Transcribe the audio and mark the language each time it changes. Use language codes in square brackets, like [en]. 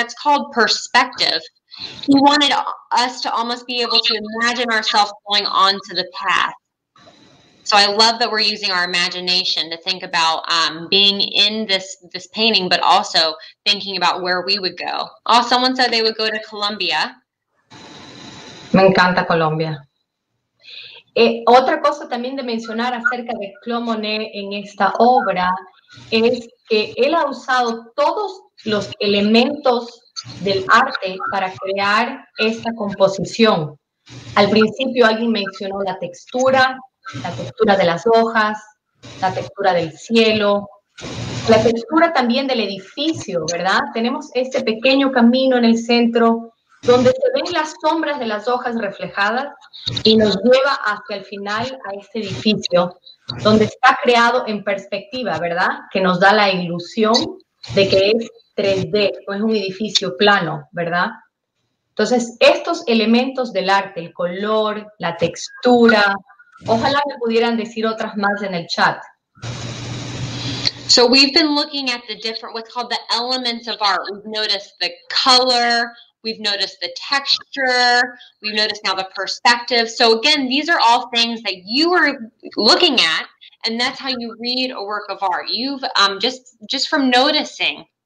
[en] That's called perspective. He wanted us to almost be able to imagine ourselves going on to the path. So I love that we're using our imagination to think about being in this painting, but also thinking about where we would go. Oh, someone said they would go to Colombia. [es] Me encanta Colombia. Otra cosa también de mencionar acerca de Claude Monet en esta obra es que él ha usado todos los elementos del arte para crear esta composición. Al principio alguien mencionó la textura de las hojas, la textura del cielo, la textura también del edificio, ¿verdad? Tenemos este pequeño camino en el centro donde se ven las sombras de las hojas reflejadas y nos lleva hacia el final a este edificio donde está creado en perspectiva, ¿verdad? Que nos da la ilusión de que es 3D, no es un edificio plano, ¿verdad? Entonces, estos elementos del arte, el color, la textura, ojalá me pudieran decir otras más en el chat. [en] So we've been looking at the different, what's called the elements of art. We've noticed the color, we've noticed the texture, we've noticed now the perspective. So again, these are all things that you are looking at, and that's how you read a work of art. You've just from noticing.